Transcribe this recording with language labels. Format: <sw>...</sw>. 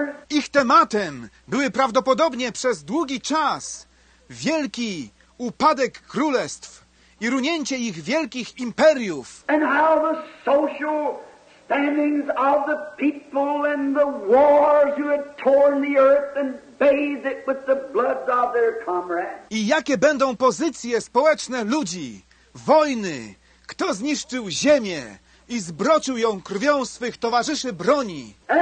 <pl>Ich tematem były prawdopodobnie przez długi czas wielki upadek królestw i runięcie ich wielkich imperiów.</pl> <en>And how the social standings of the people and the wars who had torn the earth and bathed it with the blood of their comrades.</en> <pl>I jakie będą pozycje społeczne ludzi, wojny, kto zniszczył ziemię i zbroczył ją krwią swych towarzyszy broni.</pl>